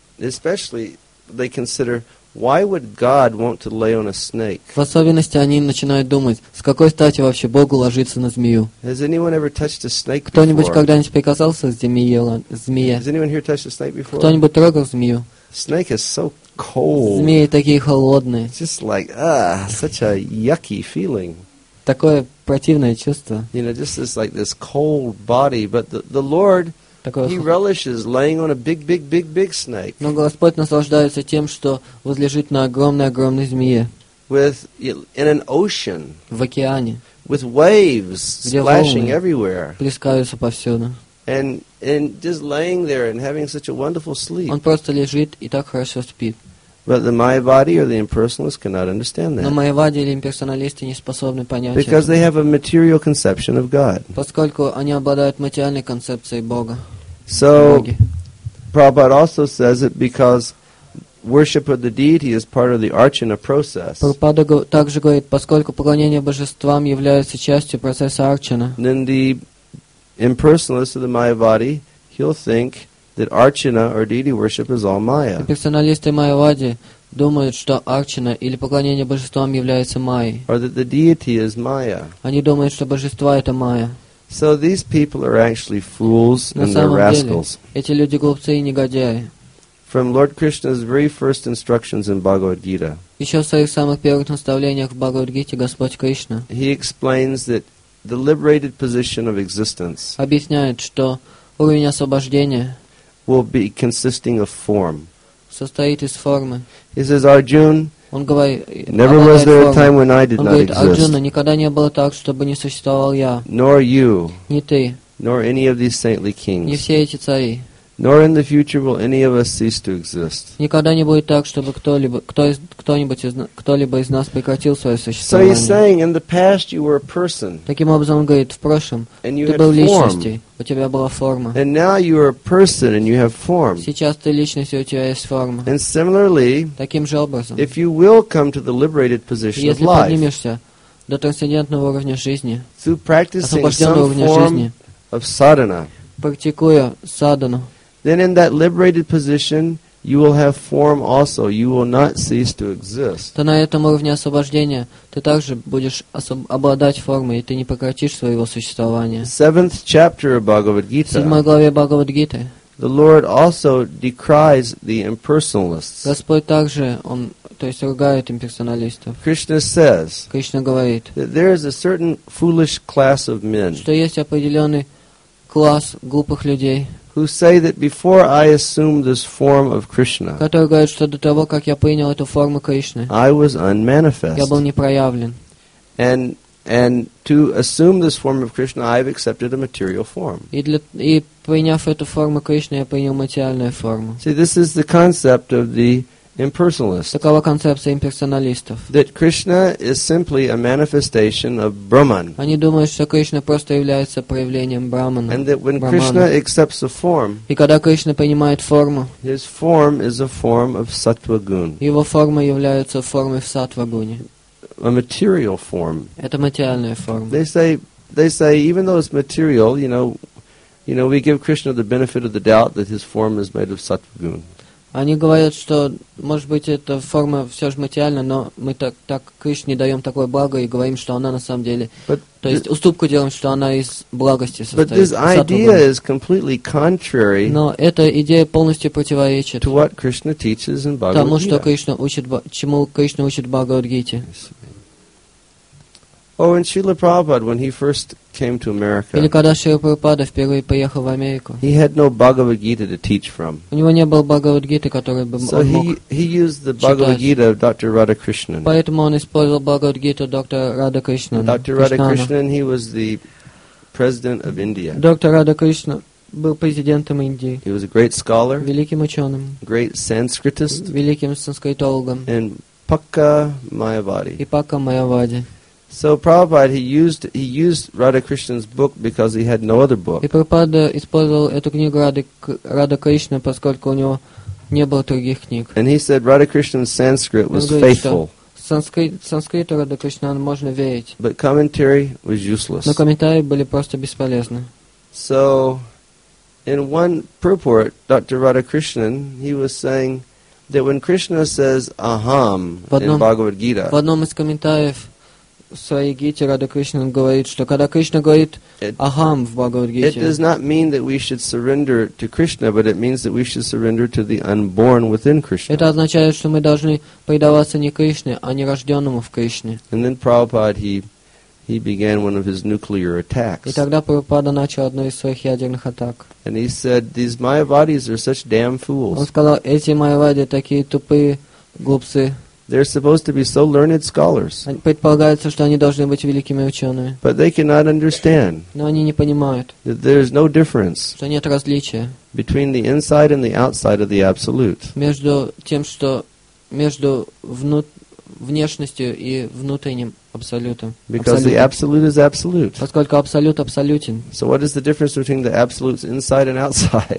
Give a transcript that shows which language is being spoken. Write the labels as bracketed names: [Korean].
[Russian] В особенности они начинают думать, с какой стати вообще Богу ложиться на змею? Кто-нибудь когда-нибудь прикасался к змее? Кто-нибудь трогал змею? [English] Snake is so cold. [Russian] Змеи такие холодные. [English] It's just like, such a yucky feeling. [Russian] Такое противное чувство. [English] You know, just this like this cold body, but the Lord, He relishes laying on a big snake. [Russian] Но Господь наслаждается тем, что возлежит на огромной змее. [English] With in an ocean. [Russian] В океане. [English] With waves splashing everywhere. [Russian] Плескаются повсюду. [English] And just laying there and having such a wonderful sleep. [Russian] Он просто лежит и так хорошо спит. [English] But the Mayavadi or the impersonalist cannot understand that. [Russian] Но Mayavadi или имперсоналисты не способны понять это. [English] Because they have a material conception of God. [Russian] Поскольку они обладают материальной концепцией Бога. [English] So, Prabhupada also says it because worship of the deity is part of the archana process. [Russian] Prabhupada также говорит, поскольку поклонение божествам является частью процесса арчана. [English] Then the impersonalist of the Mayavadi, he'll think that archana or deity worship is all maya. [Russian] Персоналисты Майявади думают, что арчана или поклонение божествам является майей. [English] Or that the deity is maya. [Russian] Они думают, что божества это майя. [English] So these people are actually fools and they're rascals. [Russian] Эти люди глупцы и негодяи. [English] From Lord Krishna's very first instructions in Bhagavad Gita. [Russian] Еще в своих самых первых наставлениях в Бхагавад-гите Господь Кришна. [English] He explains that the liberated position of existence. [Russian] Объясняет, что уровень освобождения [English] will be consisting of form. [Russian] Состоит из формы. [English] He says, Arjuna, [Russian] он говорит, [English] never was there [Russian] формы. [English] A time when I did [Russian] он [English] not [Russian] говорит, [English] exist. [Russian] Arjuna, никогда не было так, чтобы не существовал я. [English] Nor you. [Russian] Не ты. [English] Nor any of these saintly kings. [Russian] Не все эти цари. [English] Nor in the future will any of us cease to exist. [Russian] Никогда не будет так, чтобы кто-либо из нас прекратил свое существование. [English] So he's saying, in the past you were a person. [Russian] Таким образом, он говорит, в прошлом [English] and you [Russian] ты [English] had [Russian] был [English] form. [Russian] Личностью, у тебя была форма. [English] And now you are a person and you have form. [Russian] Сейчас ты личность, и у тебя есть форма. [English] And similarly, [Russian] таким же образом, [English] if you will come to the liberated position of life, [Russian] если поднимешься до трансцендентного уровня жизни, [English] through practicing some form of sadhana, [Russian] практикуя садхану, [English] then in that liberated position, you will have form also. You will not cease to exist. [Russian] То на этом уровне освобождения ты также будешь обладать формой, и ты не прекратишь своего существования. [English] Seventh chapter of Bhagavad Gita. [Russian] Седьмой главе Бхагавад Гиты. [English] The Lord also decries the impersonalists. [Russian] Господь также он, то есть ругает имперсоналистов. [English] Krishna says. [Russian] Кришна говорит. [English] That there is a certain foolish class of men. [Russian] Что есть определенный класс глупых людей. [English] Who say that before I assumed this form of Krishna, [Russian] которые говорят, что до того, как я принял эту форму Кришны, [English] I was unmanifest. [Russian] Я был непроявлен. [English] And to assume this form of Krishna, I've accepted a material form. [Russian] И приняв эту форму Кришны, я принял материальную форму. [English] See, this is the concept of the impersonalist. [Russian] Такова концепция имперсоналистов. [English] That Krishna is simply a manifestation of Brahman. [Russian] Они думают, что Кришна просто является проявлением Брахмана. [English] And that when Krishna accepts a form, [Russian] и когда Кришна принимает форму, [English] his form is a form of sattva-gun. [Russian] Его форма является формой в сатва-гуне. [English] A material form. [Russian] Это материальная форма. [English] They say even though it's material, you know, we give Krishna the benefit of the doubt that his form is made of sattva-gun. [Russian] Они говорят, что, может быть, эта форма все же материальна, но мы так Кришне даем такое благо и говорим, что она на самом деле... То есть уступку делаем, что она из благости состоит. [English] But this idea is completely contrary. [Russian] Но эта идея полностью противоречит [English] to what Krishna teaches in Bhagavad [Russian] Тому, что Кришна учит, чему Кришна учит в Бхагавад-гите. [English] Oh, and Srila Prabhupada, when he first came to America, [Russian] или когда Шрила Прабхупада впервые поехал в Америку, [English] he had no Bhagavad Gita to teach from. [Russian] У него не было Бхагавад Гиты, которую бы он мог читать. [English] So he used the Bhagavad Gita of Dr. Radhakrishnan. [Russian] Поэтому он использовал Бхагавад Гиту доктора Радхакришнана. [English] Dr. Radhakrishnan, he was the president of India. [Russian] Доктор Радхакришна был президентом Индии. [English] He was a great scholar. [Russian] Великим ученым. [English] Great Sanskritist. [Russian] Великим санскритологом. [English] And Pakka Mayavadi. [Russian] И Пакка Майявади. [English] So Prabhupada he used Radhakrishnan's book because he had no other book. [Russian] И Прабхупада использовал эту книгу Радхакришны, поскольку у него не было других книг. [English] And he said Radhakrishnan's Sanskrit was faithful. [Russian] санскрита рода Кришнан можно верить. [English] But commentary was useless. [Russian] Но комментарии были просто бесполезны. [English] So, in one purport, Dr. Radhakrishnan, he was saying that when Krishna says aham in Bhagavad Gita, [Russian] в одном из комментариев в своей Гите Радхакришнан говорит, что когда Кришна говорит «Ахам» в Бхагавад-гите, [English] it does not mean that we should surrender to Krishna, but it means that we should surrender to the unborn within Krishna. [Russian] Это означает, что мы должны предаваться не Кришне, а не рожденному в Кришне. [English] And then Prabhupada, he began one of his nuclear attacks. [Russian] И тогда Прабхупада начал одну из своих ядерных атак. [English] And he said, these Mayavadis are such damn fools. [Russian] Он сказал, эти Майавади такие тупые глупцы. [English] They're supposed to be so learned scholars. [Russian] Предполагается, что они должны быть великими учеными. [English] But they cannot understand. [Russian] Но они не понимают. [English] That there's no difference. [Russian] Что нет различия. [English] Between the inside and the outside of the absolute. [Russian] Между тем, что между внешностью и внутренним абсолютом. [English] Because the absolute is absolute. [Russian] Поскольку абсолют абсолютен. [English] So what is the difference between the absolutes inside and outside?